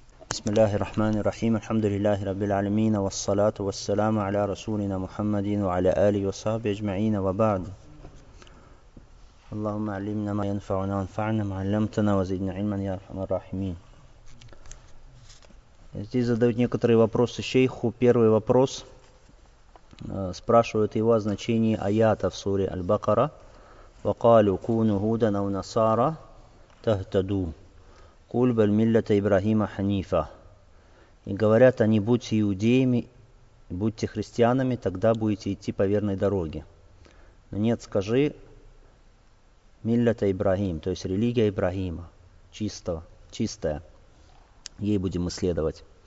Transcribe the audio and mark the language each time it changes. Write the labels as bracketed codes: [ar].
[ar] بسم الله الرحمن الرحيم الحمد لله رب العالمين والصلاة والسلام على رسولنا محمد وعلى آله وصحبه أجمعين وبعد اللهم علمنا ما ينفعنا وانفعنا ما علمتنا وزدنا علما يا أرحم الراحمين. [ru] Здесь задают некоторые вопросы шейху. Первый вопрос спрашивают его о значении аята в суре Аль-Бакара. [ar] وقالوا كونوا هودا أو نصارى تهتدوا قل بل ملة إبراهيم حنيفة. [ru] И говорят они, будьте иудеями, будьте христианами, тогда будете идти по верной дороге. Но нет, скажи, миллята Ибрахим, то есть религия Ибрахима, чистого, чистая, ей будем мы следовать.